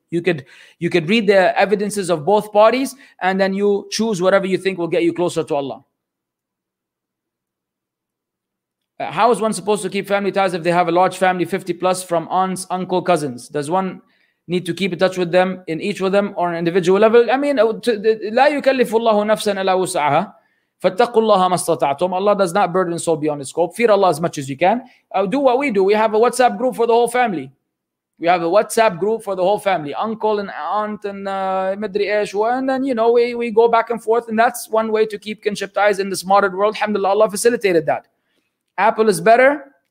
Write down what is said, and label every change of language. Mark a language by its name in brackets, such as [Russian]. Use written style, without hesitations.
[English] You could read the evidences of both parties and then you choose whatever you think will get you closer to Allah. How is one supposed to keep family ties if they have a large family, 50 plus, from aunts, uncle, cousins? Does one need to keep in touch with them, in each of them, or an individual level? I mean, [Arabic] لا يكلف الله نفسا إلا وسعها فاتقوا الله ما استطعتم. [English] Allah does not burden soul beyond his scope. Fear Allah as much as you can. Do what we do. We have a WhatsApp group for the whole family. Uncle and aunt and madri ish. And then, you know, we go back and forth. And that's one way to keep kinship ties in this modern world. Alhamdulillah, Allah facilitated that. Apple is better.